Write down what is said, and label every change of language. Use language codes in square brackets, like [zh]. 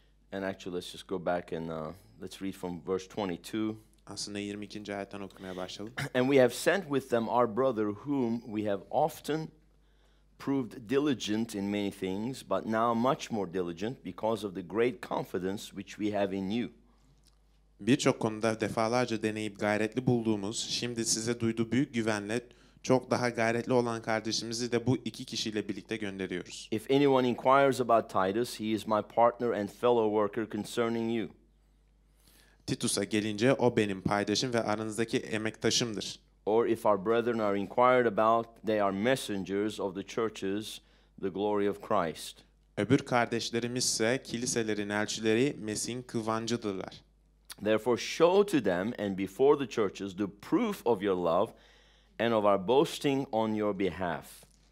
[en] And actually, let's just go back and let's read from verse 22. [tr] Aslında 22. ayetten okumaya başlayalım. [en] And we have sent with them our brother, whom we have often proved diligent in many things, but now much more diligent because of the great confidence which we have in you. [tr] Birçok konuda defalarca deneyip gayretli bulduğumuz, şimdi size duyduğu büyük güvenle çok daha gayretli olan kardeşimizi de bu iki kişiyle birlikte gönderiyoruz. [en] If anyone inquires about Titus, he is my partner and fellow worker concerning you. [tr] Titus'a gelince o benim paydaşım ve aranızdaki emektaşımdır. [en] Or if our brethren are inquired about, they are messengers of the churches, the glory of Christ. [tr] Öbür kardeşlerimizse kiliselerin elçileri, Mesih'in kıvancıdırlar. [en] Therefore show to them and before the churches the proof of your love and of our boasting on your behalf.